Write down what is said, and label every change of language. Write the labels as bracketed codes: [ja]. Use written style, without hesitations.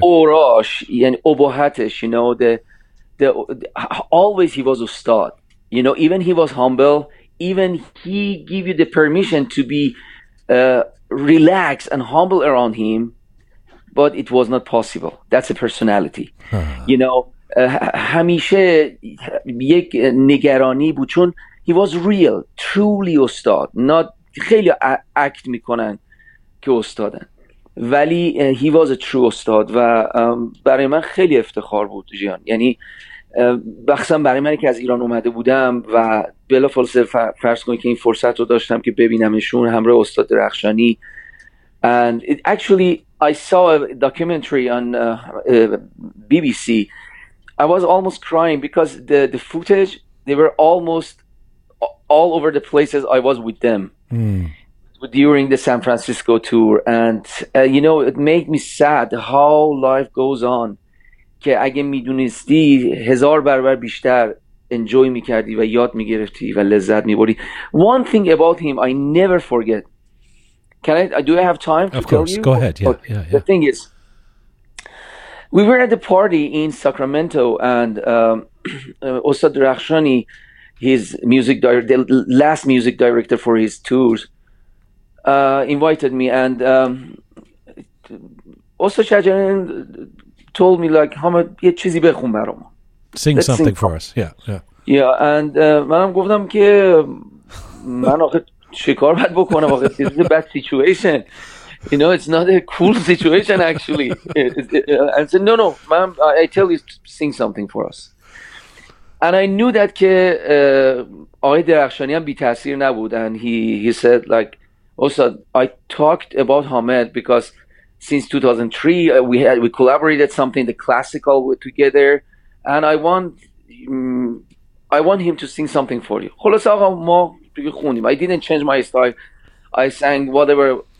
[en] Orash and obohatesh, you know, always he was a star. You know, even he was humble, even he give you the permission to be relaxed and humble around him, but it was not possible. That's a personality. You know, [fa] همیشه یک نگرانی بود چون [en] he was real, truly استاد. [fa] Not خیلی act میکنن که استادن. ولی [en] he was a true [fa] استاد و برای من خیلی افتخار بود جیان. یعنی بخصم برای من که از ایران اومده بودم و بلافاصله فرض کنید که این فرصت رو داشتم که ببینمشون همراه استاد رخشانی. [en] And it actually I saw a documentary on BBC. I was almost crying because the footage, they were almost all over the places I was with them during the San Francisco tour. And you know, it made me sad how life goes on. [fa] که اگه میدونستی هزار برابر بیشتر انجوی میکردی و یاد میگرفتی و لذت میبری. [en] One thing about him I never forget. Can I do I have time to of course. Tell you? Go ahead. Yeah, okay. Yeah, yeah. The thing is, we were at the party in Sacramento, and Ustad Drakhshani, his music director, the last music director for his tours, invited me, and Ustad Shajan told me, like, Hamad, [fa] یه چیزی بخون برام. [en] Sing Let's something sing for us. Yeah, yeah. Yeah, and [fa] منم گفتم که من آخه چیکار باید بکنم آخه. [en] This is a bad situation. You know, it's not a cool situation, actually. And said, no, ma'am, I tell you, sing something for us. And I knew that [fa] آقای درخشانی هم بی تأثیر نبود. [en] And he said, like, Ustad, I talked about Hamad because since 2003, we collaborated something, the classical, together. And I want him to sing something for you. [fa] خلاص آقا ما دیگه خونیم. [en] I didn't change my style. I sang whatever.